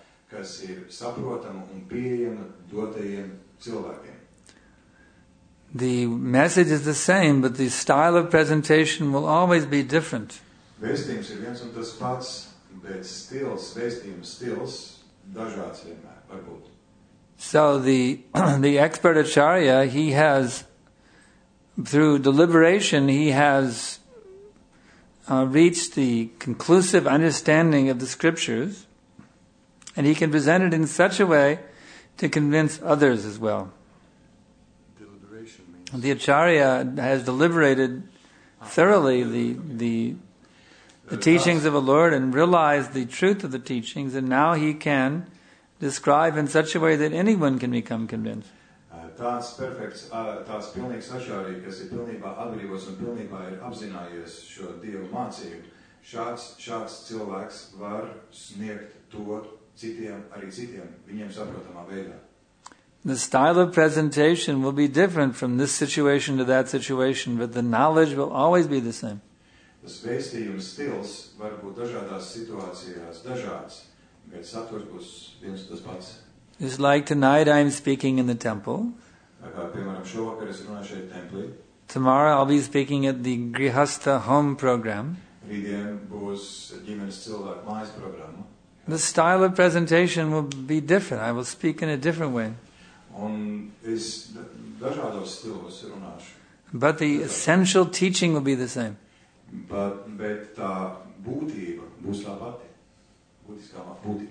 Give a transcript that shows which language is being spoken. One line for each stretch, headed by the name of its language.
Latvian: Kas ir saprotama un pieejama dotajiem cilvēkiem.
English: The message is the same, but the style of presentation will always be different.
Latvian: Vēstījums ir viens un tas pats, bet stils, vēstījums stils dažāds vienmēr var būt.
English: So the expert acharya, he has, through deliberation, he has reached the conclusive understanding of the scriptures. And he can present it in such a way to convince others as well. Deliberation means the acharya has deliberated thoroughly the the teachings of the Lord and realize the truth of the teachings, and now he can describe in such a way that anyone can become convinced.
Latvian: Tāds perfekts, tāds pilnīgs ašārī, kas ir pilnībā atbrīvos un pilnībā ir apzinājies šo Dievu mācību, šāds cilvēks var sniegt to citiem, arī citiem, viņiem saprotamā veidā.
English: The style of presentation will be different from this situation to that situation, but the knowledge will always be the same.
Latvian: Tas vēstījums stils var būt dažādās situācijās dažāds, bet saturs būs viens tas pats.
English: It's like tonight I'm speaking in the temple.
Latvian: Piemēram, šovakar es runāju šeit templī.
English: Tomorrow I'll be speaking at the Grihastha Home Program.
Latvian: Rītdien būs ģimenes cilvēku mājas programma.
English: The style of presentation will be different. I will speak in a different way.
Latvian: Un es dažādos stilos runāšu.
English: But the essential teaching will be the same.
Latvian: Bet tā būtība būs tā pati.